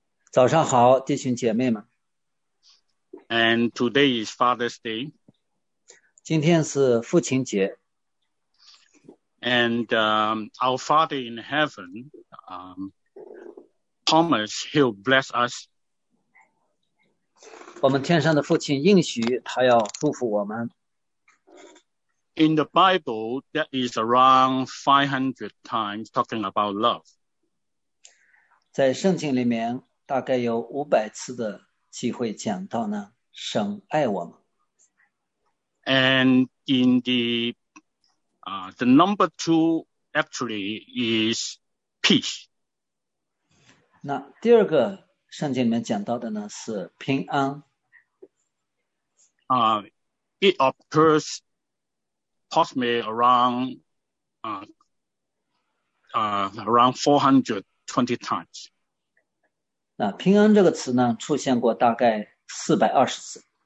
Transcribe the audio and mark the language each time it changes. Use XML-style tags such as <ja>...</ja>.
<zh>早上好，弟兄姐妹们。</zh> <en>And today is Father's Day.</en> <zh>今天是父亲节。</zh> <en>And our Father in heaven, Thomas, he'll bless us.</en> <zh>我们天上的父亲应许他要祝福我们。</zh> <en>In the Bible, that is around 500 times talking about love.</en> <zh>在圣经里面，大概有500次的机会讲到呢，神爱我们。</zh> <en>And in the number two actually is peace.</en> <zh>那第二个圣经里面讲到的呢，是平安。</zh> <en>It occurs possibly around 420 times.</en> <zh>那平安这个词呢，出现过大概420次。</zh>